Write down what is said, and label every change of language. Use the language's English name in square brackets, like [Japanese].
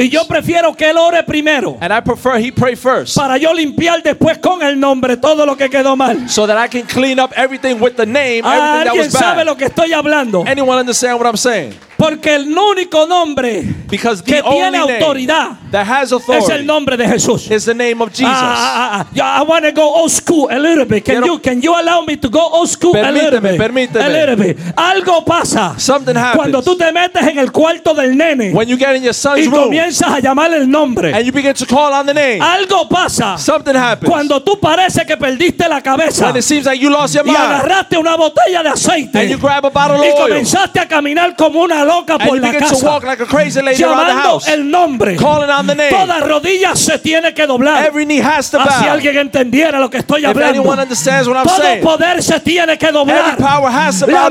[Spanish] Y yo prefiero que él ore primero. [English] And I prefer he pray first. [Spanish] Para yo limpiar después con el nombre todo lo que quedó mal. [English] So that I can clean up everything with the name, everything that was bad. [Spanish] ¿Alguien sabe lo que estoy hablando? [English] Anyone understand what I'm saying? [Spanish] Porque el único nombre que tiene autoridad [English] that has authority [Spanish] es el nombre de Jesús. [English] Is the name of Jesus. I want to go old school a little bit. Can you allow me to go old school a little bit? [Spanish] Permíteme. [English] A little bit. [Spanish] Algo pasa. [English] Something happens. [Spanish] Cuando tú te metes en el cuarto del nene. [English] When you get in your son's [Spanish] y comienzas [English] room, [Spanish] a llamar el nombre. [English] And you begin to call on the name. [Spanish] Algo pasa. [English] Something happens. [Spanish] Cuando tú parece que perdiste la cabeza. [English] When it seems like you lost your mind. [Spanish] Y agarraste una botella de aceite. [English] And you grab a bottle of oil. [Spanish] Y comenzaste a caminar como una loca por la casa. [English] And you begin to walk like a crazy lady around the house. [Spanish] El nombre. [English] Calling on the name. [Spanish] Toda rodilla se tiene que doblar. [English] Every knee has to bow. [Spanish] Así alguien entendiera lo que estoy hablando. [English] If anyone understands what I'm [Spanish] todo [English] saying. [Spanish] Todo poder se tiene que doblar. [English] Every power has to bow down.